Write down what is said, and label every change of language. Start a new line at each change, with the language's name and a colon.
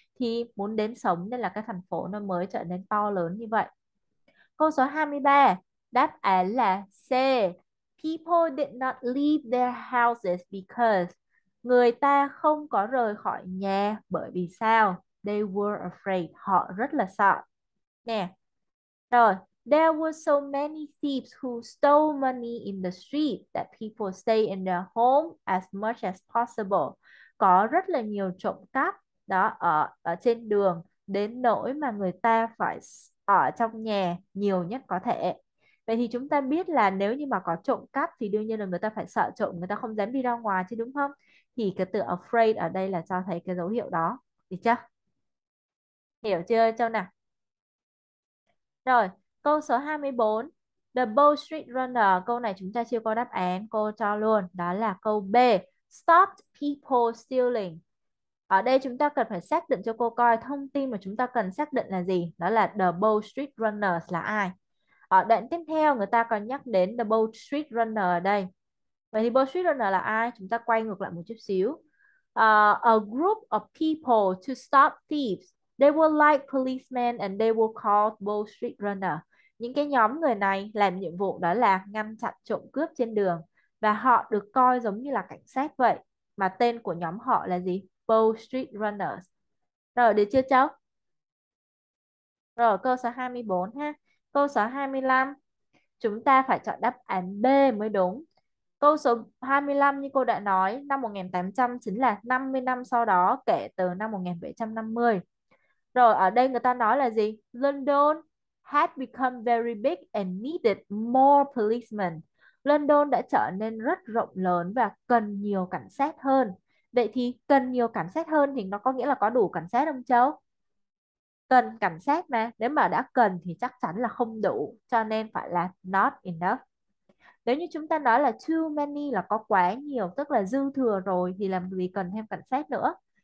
Vietnamese: Thì muốn đến sống nên là cái thành phố nó mới trở nên to lớn như vậy. Câu số 23, đáp án là C.
English: People did not leave their houses because
Vietnamese: người ta không có rời khỏi nhà bởi vì sao?
English: They were afraid.
Vietnamese: Họ rất là sợ. Nè. Rồi.
English: There were so many thieves who stole money in the street that people stay in their home as much as possible.
Vietnamese: Có rất là nhiều trộm cắp đó ở trên đường đến nỗi mà người ta phải ở trong nhà nhiều nhất có thể. Vậy thì chúng ta biết là nếu như mà có trộm cắp thì đương nhiên là người ta phải sợ trộm, người ta không dám đi ra ngoài chứ đúng không? Thì cái từ afraid ở đây là cho thấy cái dấu hiệu đó. Được chưa? Hiểu chưa Châu nào? Rồi, câu số 24.
English: The Bow Street Runner.
Vietnamese: Câu này chúng ta chưa có đáp án. Cô cho luôn. Đó là câu B.
English: Stopped people stealing.
Vietnamese: Ở đây chúng ta cần phải xác định cho cô coi thông tin mà chúng ta cần xác định là gì. Đó là The Bow Street Runners là ai? Ở đoạn tiếp theo người ta còn nhắc đến The Bow Street Runner ở đây. Vậy thì Bow Street Runner là ai? Chúng ta quay ngược lại một chút xíu.
English: A group of people to stop thieves. They were like policemen and they were called Bow Street Runner.
Vietnamese: Những cái nhóm người này làm nhiệm vụ đó là ngăn chặn trộm cướp trên đường. Và họ được coi giống như là cảnh sát vậy. Mà tên của nhóm họ là gì? Bow Street Runners. Rồi, được chưa cháu? Rồi, câu số 24 ha. Câu số 25, chúng ta phải chọn đáp án B mới đúng. Câu số 25 như cô đã nói, năm 1800 chính là 50 năm sau đó kể từ năm 1750. Rồi ở đây người ta nói là gì?
English: London had become very big and needed more policemen.
Vietnamese: London đã trở nên rất rộng lớn và cần nhiều cảnh sát hơn. Vậy thì cần nhiều cảnh sát hơn thì nó có nghĩa là có đủ cảnh sát không Châu? Cần cảnh sát mà, nếu mà đã cần thì chắc chắn là không đủ, cho nên phải là not enough. Nếu như chúng ta nói là too many là có quá nhiều, tức là dư thừa rồi thì làm gì cần thêm cảnh sát nữa?